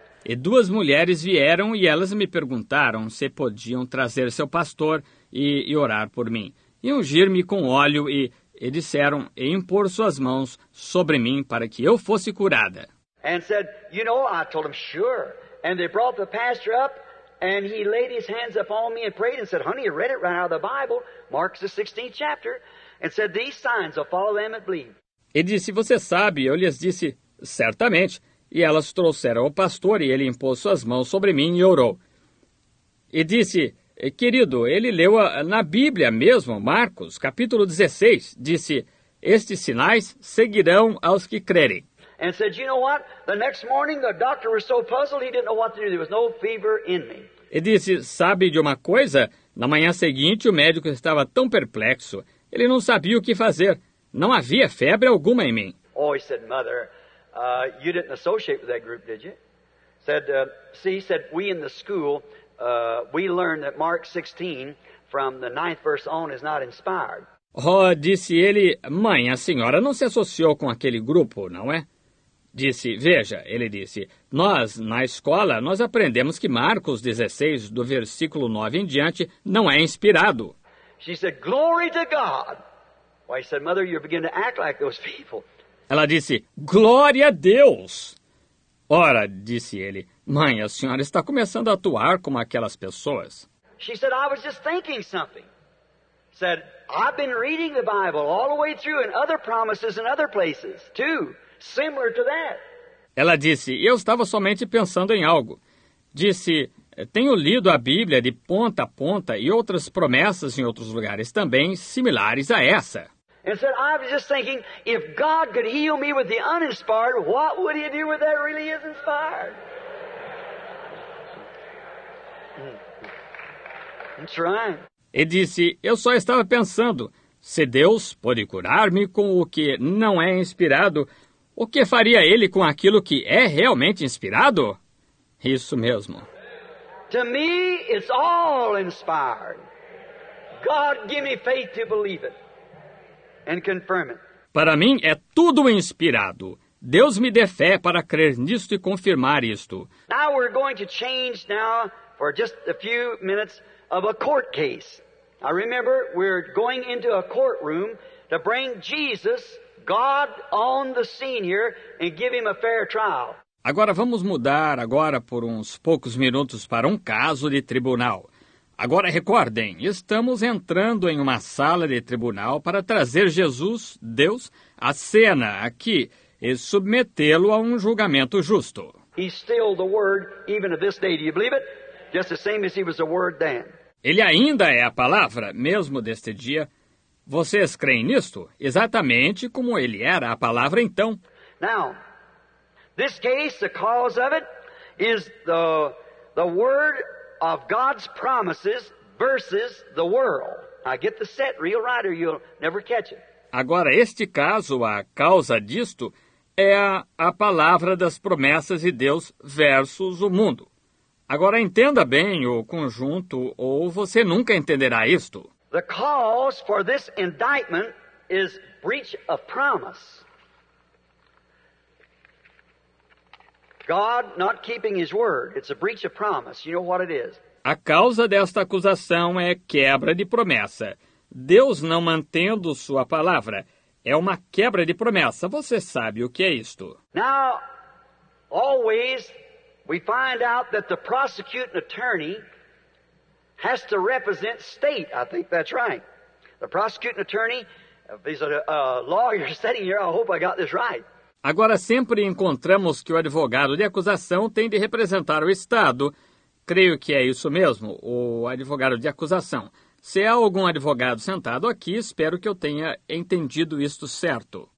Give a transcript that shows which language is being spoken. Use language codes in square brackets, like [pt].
[pt] E duas mulheres vieram e elas me perguntaram se podiam trazer seu pastor e orar por mim e ungir-me com óleo e disseram e impor suas mãos sobre mim para que eu fosse curada. [en] And said, you know, I told them, sure. And they brought the pastor up. And he laid his hands upon me and prayed and said, honey, you read it right out of the Bible, Mark's the 16th chapter. and said, "These signs will follow them that believe." [pt] Ele disse, "Você sabe?" Eu lhes disse, "Certamente." E elas trouxeram o pastor e ele impôs suas mãos sobre mim e orou. E disse, "Querido, ele leu na Bíblia mesmo, Marcos, capítulo 16, disse, estes sinais seguirão aos que crerem." [en] And said, "You know what? The next morning the doctor was so puzzled he didn't know what to do. There was no fever in me." [pt] E disse, "Sabe de uma coisa? Na manhã seguinte o médico estava tão perplexo. Ele não sabia o que fazer. Não havia febre alguma em mim." [en] Oh, he said, "Mother, you didn't associate with that group, did you?" Said, "See," said, "we in the school, we learned that Mark 16 from the 9th verse on is not inspired." [pt] Oh, disse ele, "Mãe, a senhora não se associou com aquele grupo, não é?" Disse, "Veja," ele disse, "nós, na escola, nós aprendemos que Marcos 16, do versículo 9 em diante, não é inspirado." [en] She said, "Glory to God." Well, he said, "Mother, you're beginning to act like those people." [pt] Ela disse, "Glória a Deus." Ora, disse ele, "Mãe, a senhora está começando a atuar como aquelas pessoas." [en] She said, "I was just thinking something." Said, "I've been reading the Bible all the way through and other promises in other places too, similar to that." [pt] Ela disse, "Eu estava somente pensando em algo." Disse, "Tenho lido a Bíblia de ponta a ponta e outras promessas em outros lugares também similares a essa." [en] And said, "I was just thinking, if God could heal me with the uninspired, what would he do with that really is inspired?" That's right. [pt] E disse, "Eu só estava pensando, se Deus pode curar-me com o que não é inspirado, o que faria ele com aquilo que é realmente inspirado?" Isso mesmo. [en] To me, it's all inspired. God, give me faith to believe it and confirm it. [pt] Para mim, é tudo inspirado. Deus me dê fé para crer nisto e confirmar isto. [en] Now we're going to change now for just a few minutes of a court case. I remember we're going into a courtroom to bring Jesus, God, on the scene here and give him a fair trial. [pt] Agora vamos mudar agora por uns poucos minutos para um caso de tribunal. Agora recordem, estamos entrando em uma sala de tribunal para trazer Jesus, Deus, à cena aqui e submetê-lo a um julgamento justo. [en] He's still the word even of this day. Do you believe it? Just the same as he was the word then. [pt] Ele ainda é a palavra, mesmo deste dia. Vocês creem nisto? Exatamente como ele era a palavra então. [en] Now, this case, the cause of it, is the word of God's promises versus the world. Now get the set real right or you'll never catch it. [pt] Agora, este caso, a causa disto, é a palavra das promessas de Deus versus o mundo. Agora, entenda bem o conjunto ou você nunca entenderá isto. [en] The cause for this indictment is breach of promise. God not keeping his word. It's a breach of promise. You know what it is. [pt] A causa desta acusação é quebra de promessa. Deus não mantendo sua palavra. É uma quebra de promessa. Você sabe o que é isto. [en] Now, always, we find out that the prosecuting attorney has to represent state. I think that's right. The prosecuting attorney, he's a lawyer sitting here. I hope I got this right. [pt] Agora sempre encontramos que o advogado de acusação tem de representar o Estado. Creio que é isso mesmo, o advogado de acusação. Se há algum advogado sentado aqui, espero que eu tenha entendido isto certo.